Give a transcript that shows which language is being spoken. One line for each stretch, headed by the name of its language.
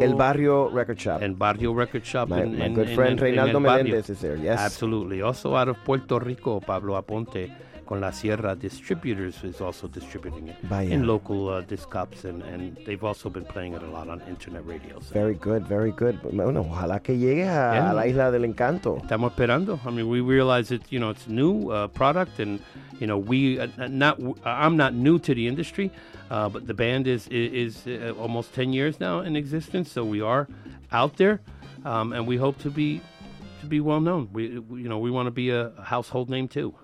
English: El Barrio Record Shop. And Barrio Record Shop. My good friend Reynaldo Meléndez is there, yes. Absolutely. Also out of Puerto Rico, Pablo Aponte con La Sierra Distributors is also distributing it.
Spanish: Vaya.
English: In local disc shops, and they've also been playing it a lot on internet radio. So. Very good.
Spanish: Bueno, ojalá que llegue a la Isla del Encanto. Estamos esperando.
English: I mean, we realize that, you know, it's a new product, and... You know, I'm not new to the industry, but the band is almost 10 years now in existence. So we are out there, and we hope to be well known. We want to be a household name too.